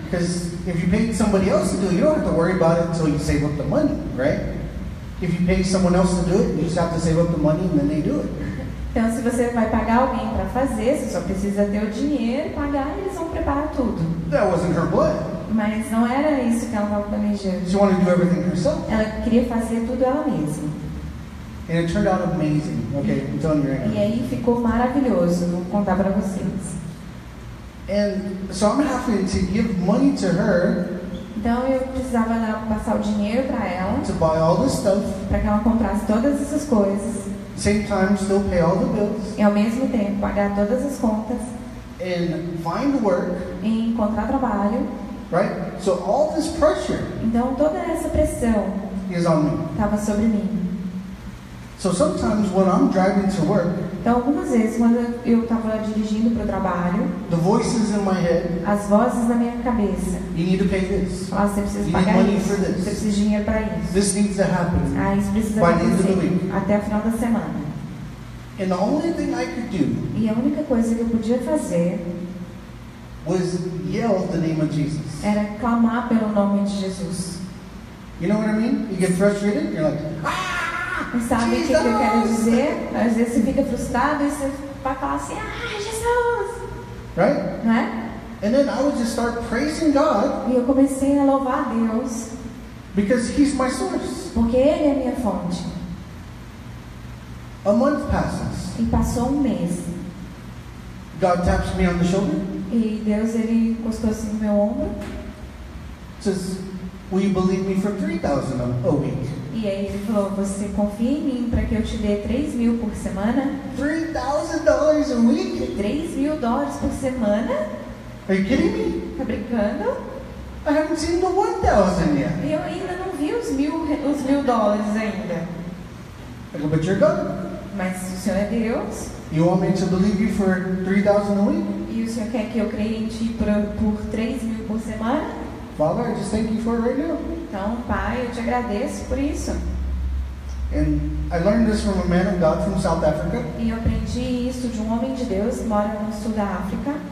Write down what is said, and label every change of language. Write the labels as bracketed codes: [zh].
[en] Because if you paid somebody else to do it, you don't have to worry about it until you save up the money, right? If you pay someone else to do it, you just have to save up the money and then they do it. [pt] Então, se você vai pagar alguém para fazer, você só precisa ter o dinheiro, pagar, eles vão preparar tudo. [en] That wasn't her plan. [pt] Mas não era isso que ela estava planejando. [en] She wanted to do everything herself. [pt] Ela queria fazer tudo ela mesma. [en] And it turned out amazing. Okay, I'm telling you right now. [pt] E aí ficou maravilhoso. Vou contar para vocês. [en] And so I'm having to give money to her. [pt] Então eu precisava passar o dinheiro para ela. [en] To buy all this stuff. [pt] Para que ela comprasse todas essas coisas. [en] Same time, still pay all the bills. [pt] E ao mesmo tempo pagar todas as contas. [en] And find work. [pt] E encontrar trabalho. [en] Right? So all this pressure. [pt] Então toda essa pressão. [en] Is on me. [pt] Tava sobre mim. [en] So sometimes when I'm driving to work. [pt] Então algumas vezes quando eu estava dirigindo para o trabalho, [en] the voices in my head, [pt] as vozes na minha cabeça, [en] you need to pay this. [pt] Ah, você precisa [en] you [pt] pagar [en] money [pt] isso, [en] for this. [pt] Você precisa de dinheiro para isso. [en] This needs to happen. [pt] Ah, isso precisa acontecer até o final da semana. [en] And the only thing I could do, [pt] e a única coisa que eu podia fazer, [en] was yell the name of Jesus. [pt] Era clamar pelo nome de Jesus. [en] You know what I mean? You get frustrated, you're like, ah! [pt] E sabe o que, que eu quero dizer? Às vezes você fica frustrado e você vai falar assim, ah, Jesus! [en] Right? [pt] Né? [en] And then I would just start praising God. [pt] E eu comecei a louvar a Deus. [en] Because he's my source. [pt] Porque ele é minha fonte. [en] A month passes. [pt] E passou um mês. [en] God taps me on the shoulder. [pt] E Deus ele encostou assim no meu ombro. [en] Says, will you believe me for 3,000 a week? [pt] E aí ele falou, você confia em mim para que eu te dê 3 mil por semana? [en] $3,000 a week? [pt] $3,000 por semana? [en] Are you kidding me? [pt] Tá brincando? [en] I haven't seen the 1,000 yet. [pt] E eu ainda não vi os mil dólares ainda. [en] But you're God. [pt] Mas o Senhor é Deus. [en] You want me to believe you for 3,000 a week? [pt] E o Senhor quer que eu creia em ti por 3 mil por semana? [en] Father, I just thank you for it right now. [pt] Então, Pai, eu te agradeço por isso. [en] And I learned this from a man of God from South Africa. [pt] E eu aprendi isso de um homem de Deus que mora no sul da África.